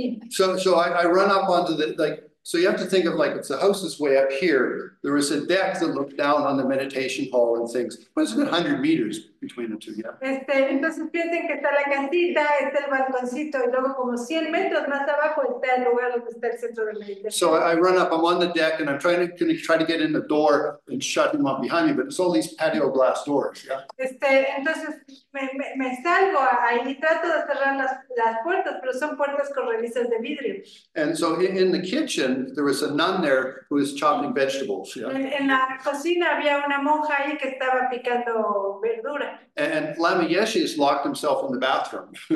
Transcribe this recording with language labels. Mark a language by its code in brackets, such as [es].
[en] So I run up onto the, like, so you have to think of, like, it's the house is way up here. There is a deck that looked down on the meditation hall and things. But it's a good 100 meters between the two, yeah. [es] Entonces piensen que está la casita, está el balconcito, y luego como 100 metros más abajo está el lugar donde está el centro de meditación. [en] So I run up, I'm on the deck, and I'm trying to get in the door and shut him up behind me, but it's all these patio glass doors, yeah. [es] Entonces me salgo ahí y trato de cerrar las puertas, pero son puertas corredizas de vidrio. [en] And so in the kitchen, there was a nun there who was chopping vegetables, yeah. [es] En la cocina había una monja ahí que estaba picando verduras. [en] And Lama Yeshe has locked himself in the bathroom.